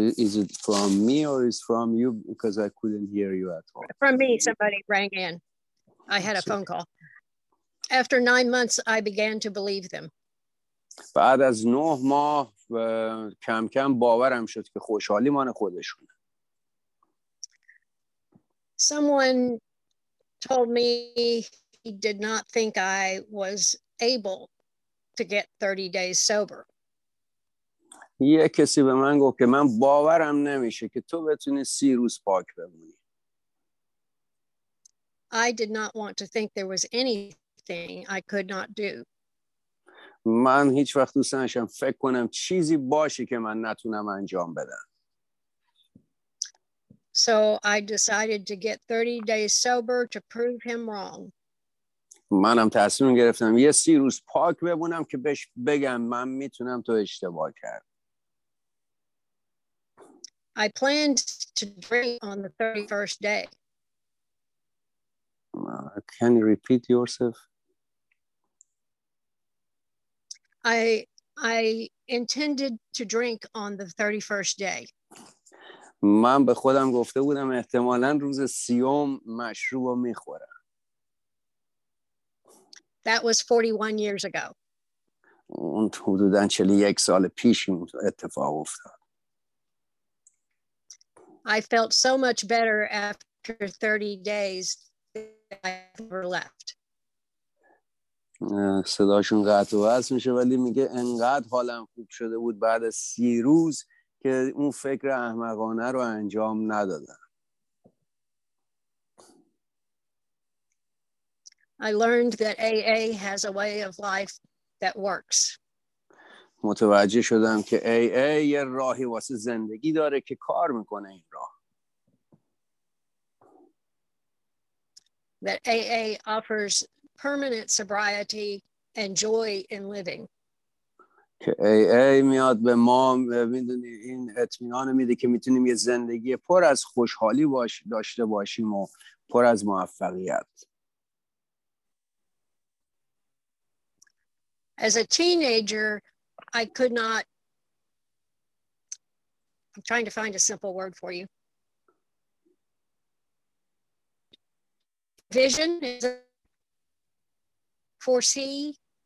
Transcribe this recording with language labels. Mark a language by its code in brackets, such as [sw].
[en] Is it from me or is from you? Because I couldn't hear you at all. From me, somebody rang in. I had a phone call. After 9 months, I began to believe them. [fa] بعد از 9 ماه کم کم باورم شد که خوشحالی مان خودشونه. [en] Someone told me he did not think I was able to get 30 days sober. [fa] یه کسی به من گفت که من باورم نمیشه که تو بتونی 30 روز پاک بمونی. [en] I did not want to think there was anything I could not do. [fa] من هیچ وقت دوست نشم فکر کنم چیزی باشه که من نتونم انجام بدم. [en] So I decided to get 30 days sober to prove him wrong. [fa] منم تصمیم گرفتم یه 30 روز پاک بمونم که بهش بگم من میتونم تو اشتباه کردی. [en] I planned to drink on the 31st day. Can you repeat yourself? I intended to drink on the 31st day. [fa] من به خودم گفته بودم احتمالاً روز 30 مشروب می‌خورم. [en] That was 41 years ago. [fa] اون حدوداً 41 سال پیش اتفاق افتاد. [en] I felt so much better after 30 days that I never left. [fa] صداشون قطع و وصل میشه ولی میگه انقدر حالم خوب شده بود بعد از 30 روز که اون فکر احمقانه رو انجام ندادم. [en] I learned that AA has a way of life that works. [fa] متوجه شدم که AA یه راهی واسه زندگی داره که کار میکنه این راه. [en] That AA offers permanent sobriety and joy in living. [fa] که AA میاد به ما میدونی این اطمینان میده که میتونیم یه زندگی پر از خوشحالی داشته باشیم و پر از موفقیت. [en] As a teenager, I could not. I'm trying to find a simple word for you. Vision is foresee.